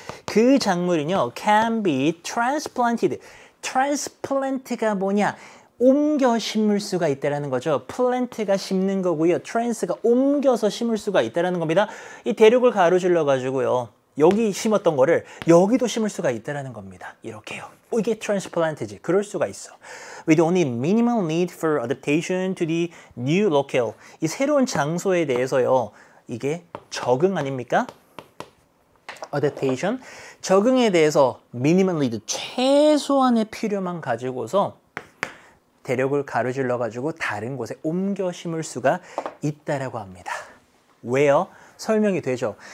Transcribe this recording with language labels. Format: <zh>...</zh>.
<ko>그 작물은요,</ko> <en>can be transplanted.</en> <ko>Transplant가 뭐냐? 옮겨 심을 수가 있다라는 거죠. 플랜트가 심는 거고요. 트랜스가 옮겨서 심을 수가 있다라는 겁니다. 이 대륙을 가로질러 가지고요. 여기 심었던 거를 여기도 심을 수가 있다라는 겁니다. 이렇게요. 이게 트랜스플랜트지. 그럴 수가 있어.</ko> <en>We don't need minimal need for adaptation to the new locale.</en> <ko>이 새로운 장소에 대해서요. 이게 적응 아닙니까? Adaptation. 적응에 대해서</ko> <en>minimal need,</en> <ko>최소한의 필요만 가지고서 대륙을 가로질러 가지고 다른 곳에 옮겨 심을 수가 있다라고 합니다. 왜요? 설명이 되죠.</ko>